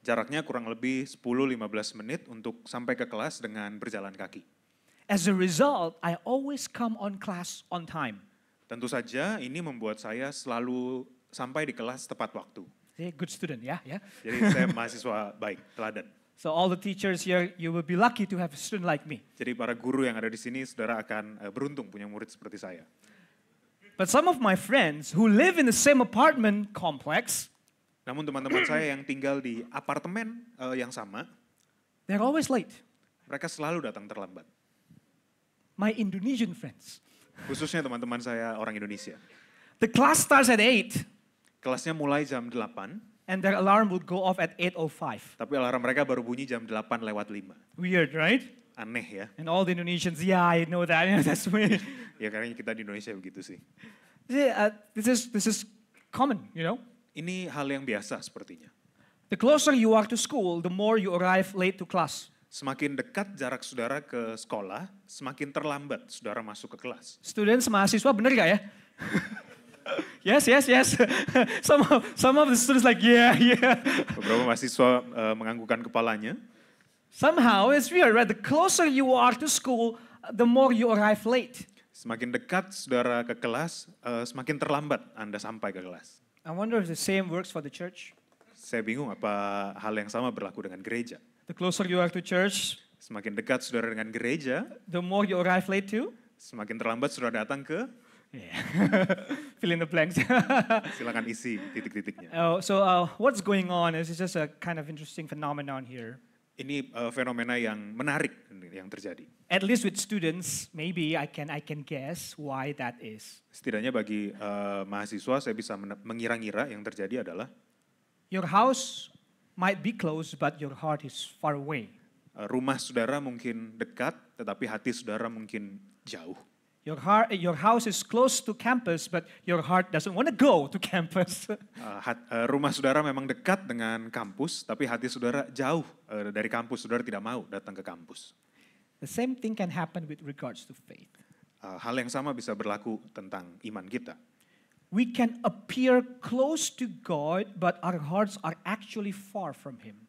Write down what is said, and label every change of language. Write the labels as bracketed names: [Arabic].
[Indonesian] Jaraknya kurang lebih 10-15 menit untuk sampai ke kelas dengan berjalan kaki. [English] As a result, I always come on class on time. [Indonesian] Tentu saja ini membuat saya selalu sampai di kelas tepat waktu. [English] Good student, yeah, yeah. [Indonesian] Jadi saya mahasiswa baik, teladan. [English] So all the teachers here, you will be lucky to have a student like me. [Indonesian] Jadi para guru yang ada di sini, saudara akan beruntung punya murid seperti saya. [English] But some of my friends who live in the same apartment complex, [Indonesian] namun teman-teman saya yang tinggal di apartemen yang sama, [English] they're always late. [Indonesian] Mereka selalu datang terlambat. [English] My Indonesian friends. [Indonesian] Khususnya teman-teman saya orang Indonesia. [English] The class starts at 8. [Indonesian] Kelasnya mulai jam 8. [English] And their alarm would go off at 8:05. [Indonesian] Tapi alarm mereka baru bunyi jam 8 lewat 5. [English] Weird, right? [Indonesian] Aneh ya. [English] And all the Indonesians, yeah, I know that. That's me. [Indonesian] Ya karena kita di Indonesia begitu sih. [English] This is common, you know. [Indonesian] Ini hal yang biasa sepertinya. [English] The closer you are to school, the more you arrive late to class. [Indonesian] Semakin dekat jarak saudara ke sekolah, semakin terlambat saudara masuk ke kelas. Students, mahasiswa, benar gak ya? [English] Yes, yes, yes. Some of the students like, yeah, yeah. [Indonesian] Beberapa mahasiswa menganggukkan kepalanya. [English] Somehow it's weird, right? The closer you are to school, the more you arrive late. [Indonesian] Semakin dekat saudara ke kelas, semakin terlambat Anda sampai ke kelas. [English] I wonder if the same works for the church. [Indonesian] Saya bingung apa hal yang sama berlaku dengan gereja. [English] The closer you are to church, [Indonesian] semakin dekat saudara dengan gereja, [English] the more you arrive late too. [Indonesian] Semakin terlambat saudara datang ke. [English] Yeah. Fill in the blanks. [Indonesian] Silakan isi titik-titiknya. [English] Oh, so what's going on is just a kind of interesting phenomenon here. [Indonesian] Ini fenomena yang menarik yang terjadi. [English] At least with students, maybe I can guess why that is. [Indonesian] Setidaknya bagi mahasiswa saya bisa mengira-ngira yang terjadi adalah [English] your house might be close but your heart is far away. [Indonesian] Rumah saudara mungkin dekat tetapi hati saudara mungkin jauh. [English] Your house is close to campus, but your heart doesn't want to go to campus. [Indonesian] Rumah saudara memang dekat dengan kampus, tapi hati saudara jauh dari kampus. Saudara tidak mau datang ke kampus. [English] The same thing can happen with regards to faith. [Indonesian] Hal yang sama bisa berlaku tentang iman kita. [English] We can appear close to God, but our hearts are actually far from Him.